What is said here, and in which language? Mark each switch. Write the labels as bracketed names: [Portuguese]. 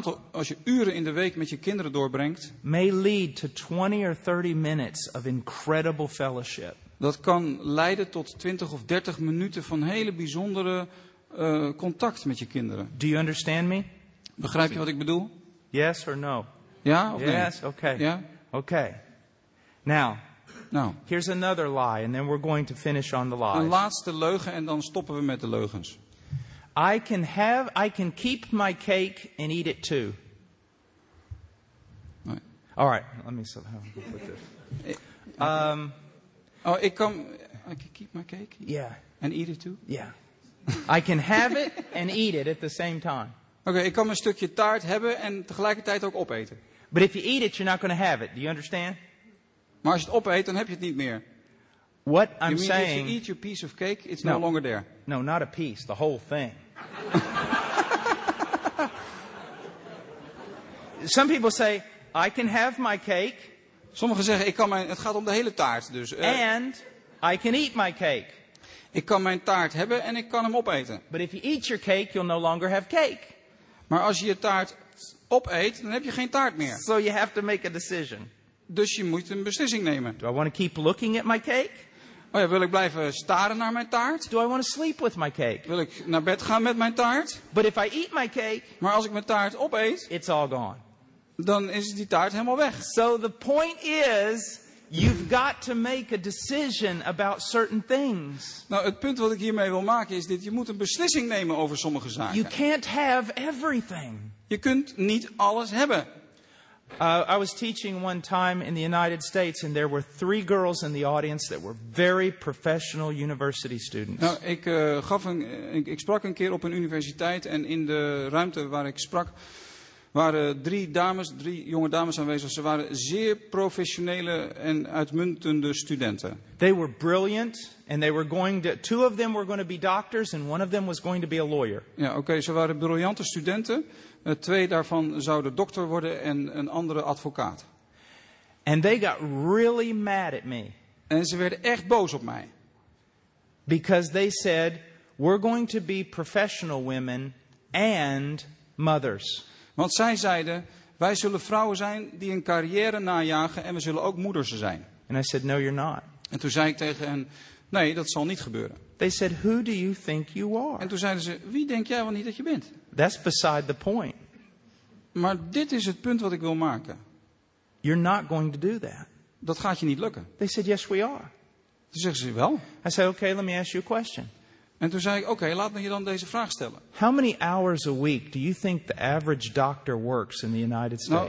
[Dutch] Als je uren in de week met je kinderen doorbrengt, [English] may lead to 20 or 30 minutes of incredible fellowship. [Dutch] Dat kan leiden tot 20 of 30 minuten van hele bijzondere contact met je kinderen. [English] Do you understand me? [Dutch] Begrijp je wat ik bedoel? [English] Yes or no? [Dutch] Ja of [English] yes, [Dutch] nee? [English] Yes, okay. [Dutch] Ja? [English] Okay. Now, here's another lie and then we're going to finish on the lies. [Dutch] Een laatste leugen en dan stoppen we met de leugens. [English] I can keep my cake and eat it too. [Dutch] Nee. [English] All right, let me see how to put this. I can keep my cake? Yeah. And eat it too? Yeah. I can have it and eat it at the same time. [Dutch] Okay, ik kan een stukje taart hebben en tegelijkertijd ook opeten. [English] But if you eat it, you're not going to have it. Do you understand? [Dutch] Maar als je het opeet, dan heb je het niet meer. [English] What I'm saying... If you eat your piece of cake, it's no longer there. No, not a piece. The whole thing. Some people say, I can have my cake... [Dutch] Sommigen zeggen, het gaat om de hele taart. Dus, [English] And I can eat my cake. [Dutch] Ik kan mijn taart hebben en ik kan hem opeten. [English] But if you eat your cake, you'll no longer have cake. [Dutch] Maar als je je taart opeet, dan heb je geen taart meer. [English] So you have to make a decision. [Dutch] Dus je moet een beslissing nemen. [English] Do I want to keep looking at my cake? [Dutch] Oh ja, wil ik blijven staren naar mijn taart? [English] Do I want to sleep with my cake? [Dutch] Wil ik naar bed gaan met mijn taart? [English] But if I eat my cake, [Dutch] maar als ik mijn taart opeet, [English] it's all gone. [Dutch] Dan is die taart helemaal weg. [English] So the point is, you've got to make a decision about certain things. [Dutch] Nou, het punt wat ik hiermee wil maken is dit: je moet een beslissing nemen over sommige zaken. [English] You can't have everything. [Dutch] Je kunt niet alles hebben. [English] I was teaching one time in the United States, and there were 3 girls in the audience that were very professional university students. [Dutch] Nou, ik sprak een keer op een universiteit, en in de ruimte waar ik sprak. Waren 3 jonge dames aanwezig. Ze waren zeer professionele en uitmuntende studenten. [English] They were brilliant and they were going to 2 of them were going to be doctors and one of them was going to be a lawyer. [Dutch] Ja, oké, ze waren briljante studenten. 2 daarvan zouden dokter worden en een andere advocaat. [English] And they got really mad at me. [Dutch] En ze werden echt boos op mij. [English] Because they said we're going to be professional women and mothers. [Dutch] Want zij zeiden, wij zullen vrouwen zijn die een carrière najagen en we zullen ook moeders zijn. [English] And I said, no, you're not. [Dutch] En toen zei ik tegen hen, nee, dat zal niet gebeuren. [English] They said, who do you think you are? [Dutch] En toen zeiden ze, wie denk jij wel niet dat je bent? [English] That's beside the point. [Dutch] Maar dit is het punt wat ik wil maken. [English] You're not going to do that. [Dutch] Dat gaat je niet lukken. [English] They said, yes, we are. [Dutch] Toen zeggen ze, wel. [English] I said, okay, let me ask you a question. [Dutch] En toen zei ik, oké, laat me je dan deze vraag stellen. [English] How many hours a week do you think the average doctor works in the United States?